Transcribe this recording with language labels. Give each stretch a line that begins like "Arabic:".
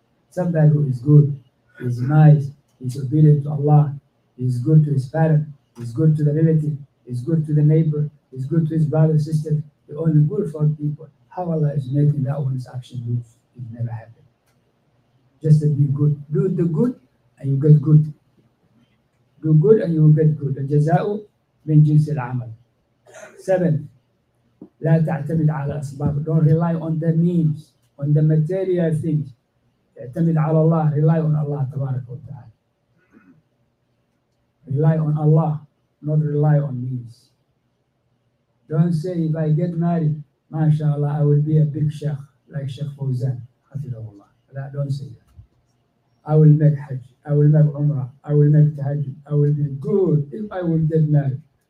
English: Somebody who is good, is nice, is obedient to Allah, is good to his parent, is good to the relative, is good to the neighbor, is good to his brother, sister, the only good for people. How Allah is making that one's action move, it never happened. Just to be good. Do the good and you get good. Do good and you will get good.
Arabic: Al-jaza'u min jins al-amal. Seven, لا تعتمد على أسباب.
English: Don't rely on the means, on the material things.
Arabic: اعتمد على الله,
English: rely on Allah,
Arabic: تبارك وتعالى.
English: Rely on Allah. Not rely on means. Don't say if I get married, mashallah, I will be a big sheikh like Sheikh Fawzan, hafidhahullah. That, don't say that. I will make Hajj, I will make Umrah, I will make Tahajjud, I will be good if I will get married.